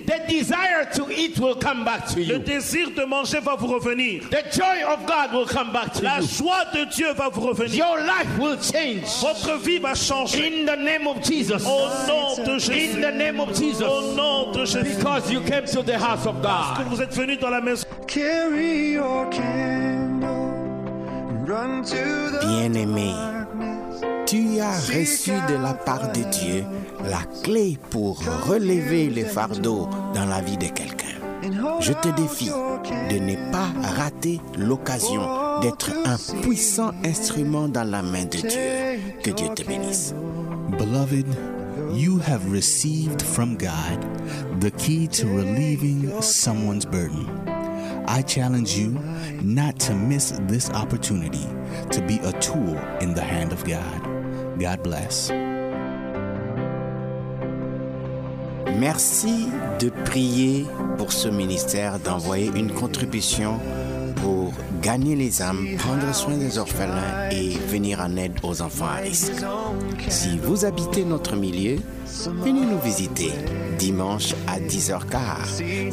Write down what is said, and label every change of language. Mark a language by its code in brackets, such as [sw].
[en] The desire to eat will come back to you. [fr] Le désir de manger va vous revenir. [en] The joy of God will come back to [fr] la [en] you. [fr] La joie de Dieu va vous revenir. [en] Your life will change. [fr] Votre vie va changer. [en] In the name of Jesus. [fr] Au nom de Jésus. [en] In the name of Jesus. [fr] Au nom de Jésus. [en] Because you came to the house of God. [fr] Parce que vous êtes venu dans la maison. [en] Carry your candle. Run to the darkness. [fr] Tu as reçu de la part de Dieu la clé pour relever les fardeaux dans la vie de quelqu'un. Je te défie de ne pas rater l'occasion d'être un puissant instrument dans la main de Dieu. Que Dieu te bénisse. [en] Beloved, you have received from God the key to relieving someone's burden. I challenge you not to miss this opportunity to be a tool in the hand of God. God bless. [fr] Merci de prier pour ce ministère, d'envoyer une contribution pour gagner les âmes, prendre soin des orphelins et venir en aide aux enfants à risque. Si vous habitez notre milieu, venez nous visiter dimanche à 10h15.